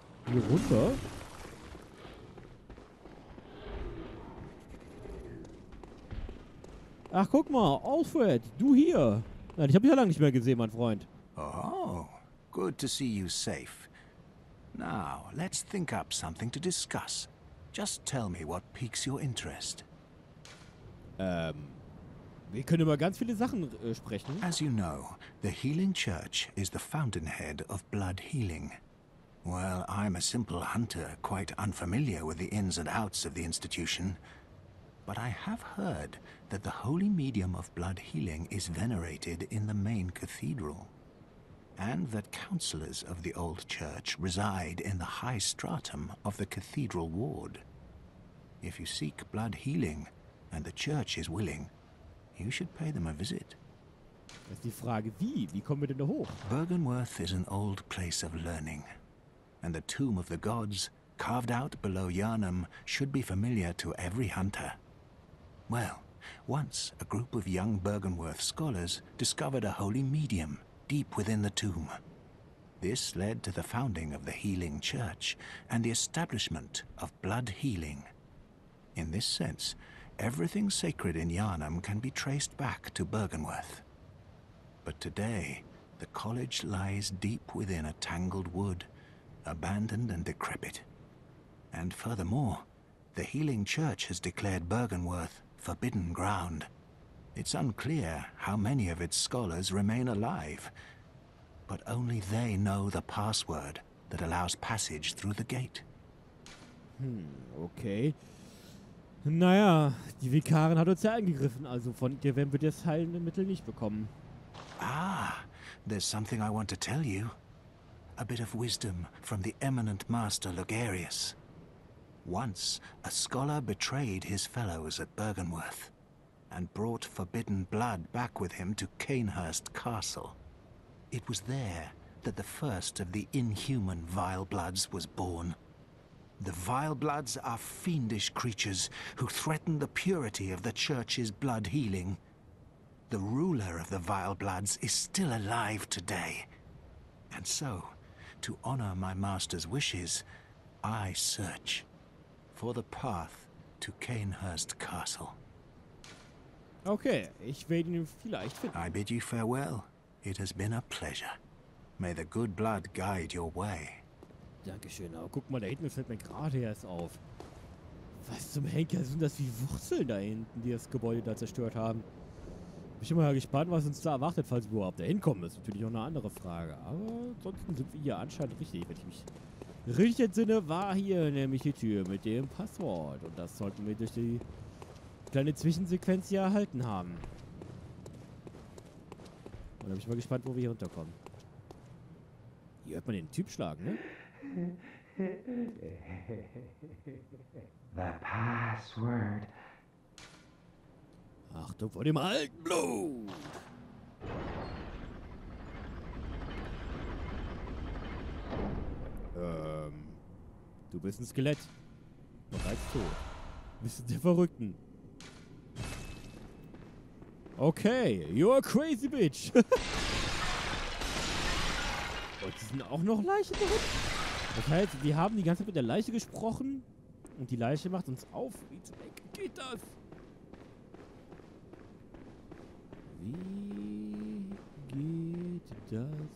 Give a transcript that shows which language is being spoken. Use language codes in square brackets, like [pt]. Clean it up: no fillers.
[de] Hier runter. Ach, guck mal, Alfred, du hier. Nein, ich habe dich ja lange nicht mehr gesehen, mein Freund. [en] Oh, good to see you safe. Now, let's think up something to discuss. Just tell me what piques your interest. [de] Wir können über ganz viele Sachen sprechen. [en] As you know, the Healing Church is the fountainhead of blood healing. Well, I'm a simple hunter, quite unfamiliar with the ins and outs of the institution. But I have heard that the holy medium of blood healing is venerated in the main cathedral. And that counselors of the old church reside in the high stratum of the cathedral ward. If you seek blood healing, and the church is willing, you should pay them a visit. [de] Das ist die Frage, wie kommen wir denn da hoch? [en] Bergenworth is an old place of learning. And the tomb of the gods, carved out below Yharnam, should be familiar to every hunter. Well, once a group of young Bergenworth scholars discovered a holy medium deep within the tomb. This led to the founding of the Healing Church and the establishment of blood healing. In this sense, everything sacred in Yharnam can be traced back to Bergenworth. But today, the college lies deep within a tangled wood, abandoned and decrepit. And furthermore, the Healing Church has declared Bergenworth forbidden ground. It's unclear how many of its scholars remain alive, but only they know the password that allows passage through the gate. Okay. [de] Naja, die Vikarin hat uns ja angegriffen, also von dir werden wir das heilende Mittel nicht bekommen. [en] Ah, there's something I want to tell you. A bit of wisdom from the eminent master Lugarius. Once, a scholar betrayed his fellows at Bergenworth and brought forbidden blood back with him to Canehurst Castle. It was there that the first of the inhuman Vilebloods was born. The Vilebloods are fiendish creatures who threaten the purity of the church's blood healing. The ruler of the Vilebloods is still alive today. And so, to honor my master's wishes, I search for the path to Canehurst Castle. [de] Okay, ich werde ihn vielleicht finden. [en] I bid you farewell. It has been a pleasure. May the good blood guide your way. [de] Dankeschön, aber guck mal, da hinten fällt mir gerade erst auf. Was zum Henker sind das wie Wurzeln da hinten, die das Gebäude da zerstört haben? Bin ich immer gespannt, was uns da erwartet, falls wir überhaupt da hinkommen. Das ist natürlich auch eine andere Frage. Aber ansonsten sind wir hier anscheinend richtig, wenn ich mich richtig entsinne, war hier nämlich die Tür mit dem Passwort. Und das sollten wir durch die kleine Zwischensequenz hier erhalten haben. Und da bin ich mal gespannt, wo wir hier runterkommen. Hier hört man den Typ schlagen, ne? [en] The password. [de] Achtung vor dem alten Blut! Du bist ein Skelett. Bereits tot. Bist du der Verrückten? [en] Okay, you're a crazy bitch. [de] Und die sind auch noch Leichen drin? Das heißt, wir haben die ganze Zeit mit der Leiche gesprochen. Und die Leiche macht uns auf. Wie zum Eck geht das? Wie geht das?